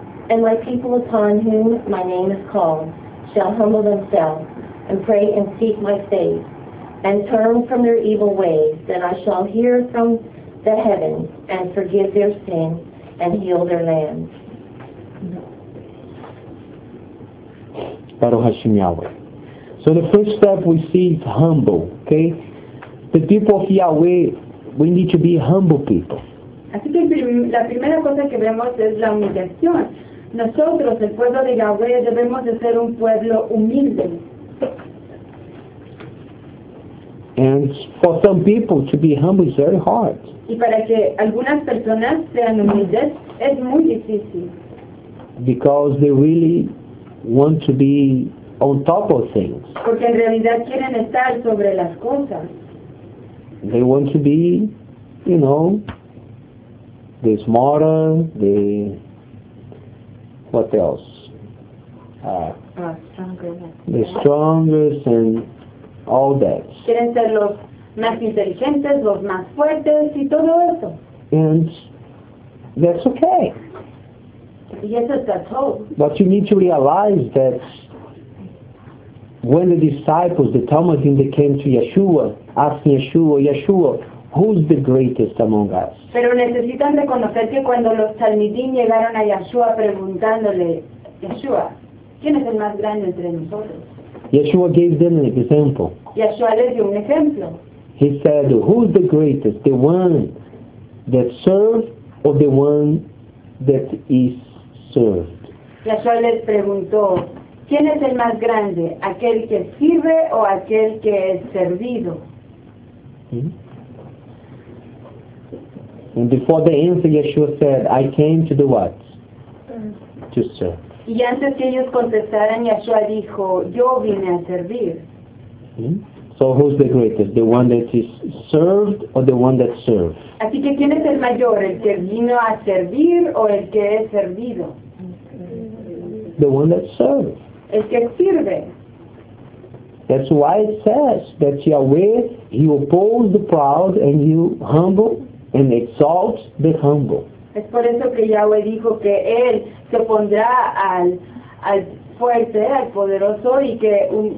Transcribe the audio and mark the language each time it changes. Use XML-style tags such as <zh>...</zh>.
<en>And my people upon whom my name is called shall humble themselves and pray and seek my face and turn from their evil ways, then I shall hear from the heavens and forgive their sin and heal their land.</en> <he>Baruch Hashem Yahweh.</he> <en>So the first step we see is humble, okay? The people of Yahweh, we need to be humble people.</en> <es>Así que la primera cosa que vemos es la humillación. Nosotros, el pueblo de Yahweh, debemos de ser un pueblo humilde.</es> <en>And for some people, to be humble is very hard.</en> <es>Y para que algunas personas sean humildes, es muy difícil.</es> <en>Because they really want to be on top of things.</en> <es>Porque en realidad quieren estar sobre las cosas.</es> <en>They want to be, you know, the smarter, the what else? The strongest and all that.</en> <es>Quieren ser los más inteligentes, los más fuertes y todo eso.</es> <en>And that's okay. Yes, that's hope. But you need to realize that when the disciples, the Talmudim, they came to Yeshua, asking Yeshua, Yeshua, who's the greatest among us?</en> <es>Pero necesitan reconocer que cuando los Talmudim llegaron a Yeshua preguntándole, Yeshua, ¿quién es el más grande entre nosotros?</es> <en>Yeshua gave them an example.</en> <es>Yeshua les dio un ejemplo.</es> <en>He said, who's the greatest, the one that serves or the one that is served?</en> <es>Yeshua les preguntó, ¿quién es el más grande, aquel que sirve o aquel que es servido?</es> <en>And before the answer, Yeshua said, I came to do what? To serve.</en> <es>Y antes que ellos contestaran, Yeshua dijo, yo vine a servir.</es> <en>So who's the greatest, the one that is served or the one that serves?</en> <es>Así que ¿quién es el mayor, el que vino a servir o el que es servido?</es> <en>The one that serves.</en> <es>El que sirve.</es> <en>That's why it says that Yahweh, he opposes the proud and he humble and exalts the humble.</en> <es>Es por eso que Yahweh dijo que él se pondrá al fuerte, al poderoso y que</es>